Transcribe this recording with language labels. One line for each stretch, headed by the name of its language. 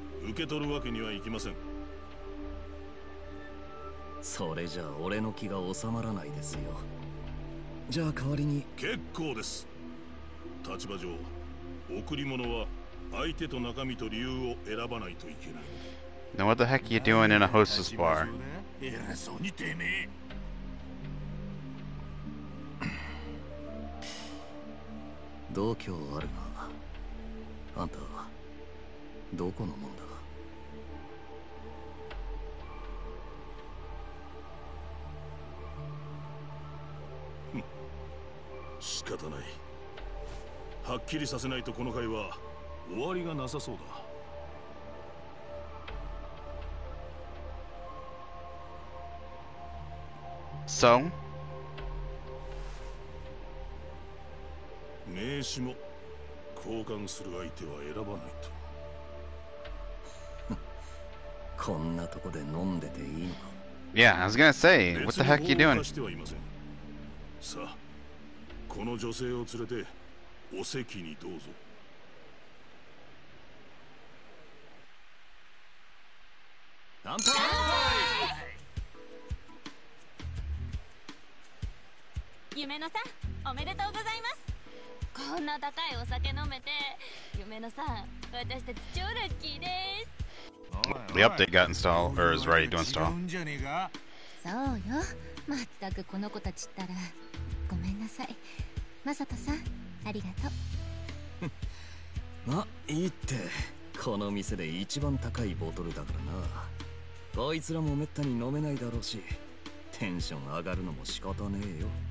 Japanese: 受け取るわけにはいきません。それじゃあ俺の気が収まらないですよ。じゃあ代わりに。結構です。立場上贈り物は相手と中身と理由を選ばないといけない。
English: Now what the heck are you doing in a hostess bar?
Japanese: 偉そうにてめえ。同居あるな。あんたはどこのもんだ。仕方ない。はっきりさせないとこの会は終わりがなさそうだ。そう、名刺も交換する相手は選ばないと。こんなとこで飲んでていいのか。
English: Yeah, I was gonna say, what the heck are you doing?
Japanese: 別に暴さあ、この女性を連れてお席にどうぞ。乾杯。夢野さん、おめでとうございます。こんな高いお酒飲めて、夢のさん、私たち超ラッキーです。
English: The update got installed, or is ready to install.
Japanese: そうよ、まったくこの子たちったら。ごめんなさい、マサトさん、ありがとう。ま、いいって。この店で一番高いボトルだからな。こいつらもめったに飲めないだろうし、テンション上がるのも仕方ねえよ。